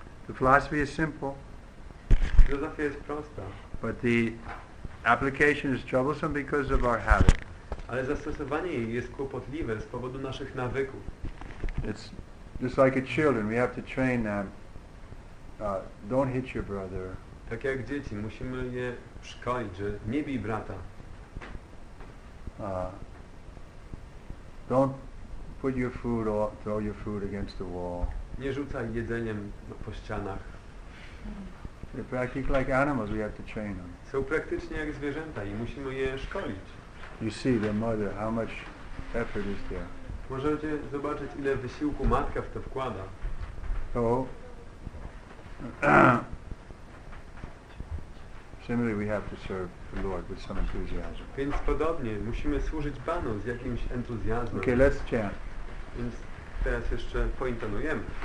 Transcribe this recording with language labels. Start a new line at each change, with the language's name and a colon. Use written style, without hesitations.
English: The philosophy is simple.
Polish: Filozofia jest prosta.
English: But the application is troublesome because of our habit.
Polish: Ale zastosowanie jej jest kłopotliwe z powodu naszych nawyków.
English: It's just like a children. We have to train them. Don't hit your brother.
Polish: Tak jak dzieci, musimy je szkolić, że nie bij brata.
English: Don't put your food or throw your food against the wall.
Polish: Nie rzucaj jedzeniem po ścianach.
English: They're practically like animals. We have to train them.
Polish: Są praktycznie jak zwierzęta i musimy je szkolić.
English: You see the mother, how much effort is there.
Polish: Możecie zobaczyć, ile wysiłku matka w to wkłada.
English: So, similarly, we have to serve the Lord with some enthusiasm.
Polish: Więc podobnie, musimy służyć Panu z jakimś entuzjazmem.
English: Okay, let's chant.
Polish: Więc teraz jeszcze pointanujemy.